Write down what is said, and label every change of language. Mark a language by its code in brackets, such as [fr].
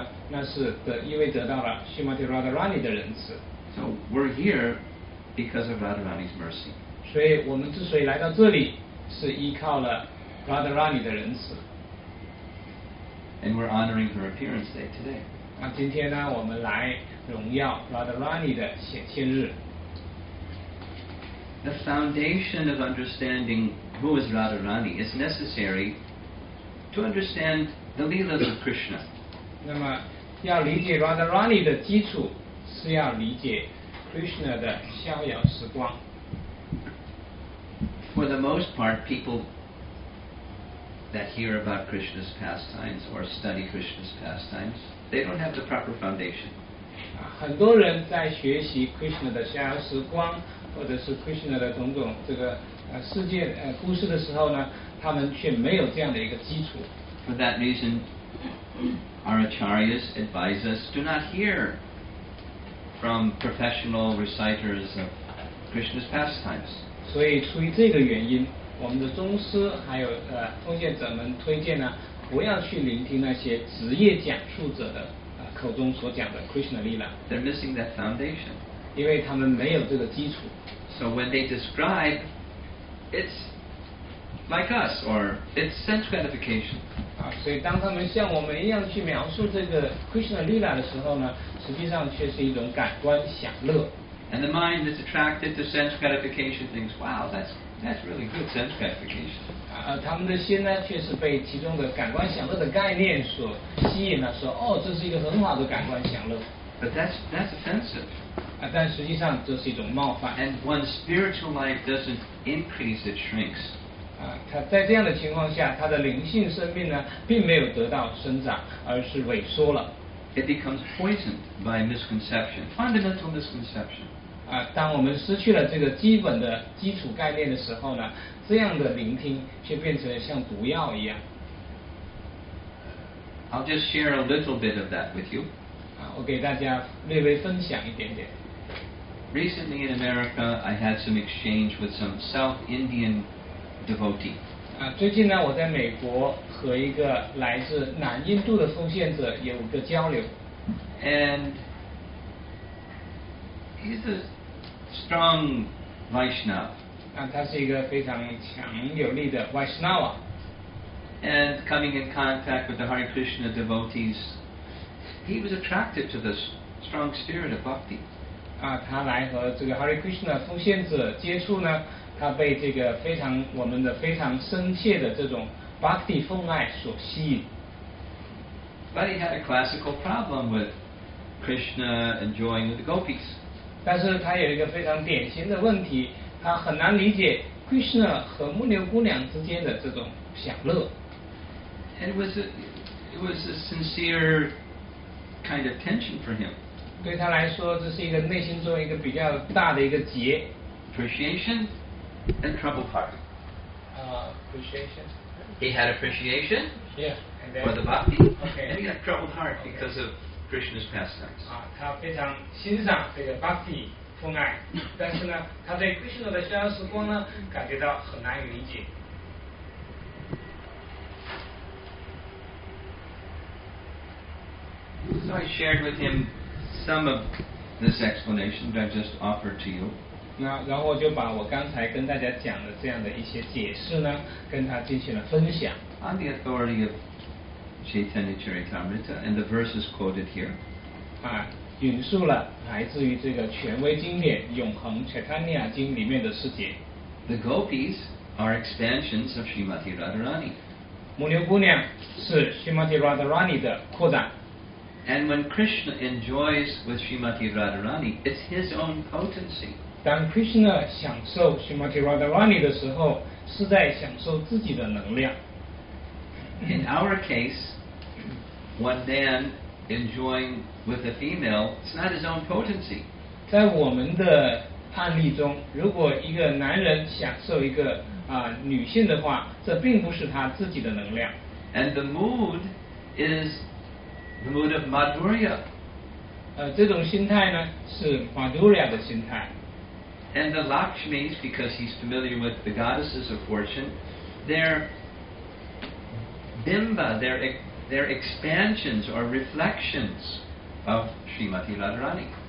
[zh] 当我们能够达到这样的一种促进的时候呢，那是因为得到了Srimati Radharani的仁慈。 [en] So we're here because of Radharani's mercy. [zh] 所以我们之所以来到这里，是依靠了Radharani的仁慈。 [en] And we're honoring her appearance day today. [zh] 今天呢，我们来荣耀Radharani的显现日。 [en] The foundation of understanding who is Radharani is necessary to understand the leelas of Krishna. [zh] 那么要理解 Radharani 的基础是是要理解 Krishna 的逍遥时光。 [en] For the most part, people that hear about Krishna's pastimes or study Krishna's pastimes, they don't have the proper foundation. [zh] 很多人在学习 Krishna 的逍遥时光，或者是 Krishna 的种种这个世界故事的时候呢，他们却没有这样的一个基础。 [en] For that reason, our acharyas advise us, do not hear from professional reciters of Krishna's pastimes. [zh] 所以出于这个原因，我们的宗师还有奉献者们推荐呢，不要去聆听那些职业讲述者的口中所讲的 Krishna Lila。 [en] They're missing that foundation. [zh] 因为他们没有这个基础。 [en] So when they describe, it's like us or it's sense gratification. [zh] 啊，所以当他们像我们一样去描述这个 Krishna Lila 的时候呢，实际上却是一种感官享乐。 [en] And the mind is attracted to sense gratification things. Wow, that's really good sense gratification. [zh] 他们的心呢，却是被其中的感官享乐的概念所吸引了，说哦，这是一个很好的感官享乐。 [en] But that's offensive. [zh] 但实际上这是一种冒犯。 [en] And one's spiritual life doesn't increase; it shrinks. [zh] 他在这样的情况下，他的灵性生命呢，并没有得到生长，而是萎缩了。 [en] It becomes poisoned by misconception, fundamental misconception. [zh] 当我们失去了这个基本的基础概念的时候呢，这样的聆听却变成像毒药一样。 [en] I'll just share a little bit of that with you. [zh] 我给大家略微分享一点点。 [en] Recently in America, I had some exchange with some South Indian devotee. [zh] 最近呢，我在美国和一个来自南印度的奉献者有一个交流。 [en] And he's a strong Vaishnava. [zh] 他是一个非常强有力的 Vaishnava. [en] And coming in contact with the Hare Krishna devotees, he was attracted to this strong spirit of bhakti. [zh] 他来和这个 Hare Krishna 奉献者接触呢。他被这个非常我们的非常深切的这种 bhakti 风爱所吸引。 [en] But he had a classical problem with Krishna enjoying the gopis. [zh] 但是他有一个非常典型的问题，他很难理解 Krishna 和牧牛姑娘之间的这种享乐。 [en] It was a sincere kind of tension for him. [zh] 对他来说，这是一个内心中一个比较大的一个结。 [en] Appreciation. And trouble part. Appreciation. He had appreciation. Yeah. And then, for the bhakti. Okay. And he had troubled heart because of Krishna's pastimes. [zh] 他非常欣赏这个 bhakti 风爱，但是呢，他对 Krishna 的逍遥时光呢，感觉到很难以理解。 [en] So I shared with him some of this explanation that I just offered to you. [zh] 那然后我就把我刚才跟大家讲的这样的一些解释呢，跟他进行了分享。 [en] On the authority of Chaitanya Charitamrita and the verses quoted here. [zh] 引述了来自于这个权威经典《永恒 Chaitanya 经》里面的世界。 [en] The gopis are expansions of Srimati Radharani. [zh] 牧牛姑娘是 Srimati Radharani 的扩展。 [en] And when Krishna enjoys with Srimati Radharani, it's his own potency. [zh] 当 Krishna 享受 Srimati Radharani 的时候，是在享受自己的能量。 [en] In our case, one man enjoying with a female, it's not his own potency. [zh] 在我们的案例中，如果一个男人享受一个女性的话，这并不是他自己的能量。 [en] And the mood is the mood of Madhurya. [zh] 这种心态呢，是 Madhurya 的心态。 [en] And the Lakshmis, because he's familiar with the goddesses of fortune, they're bimba, they're expansions or reflections of Srimati Radharani.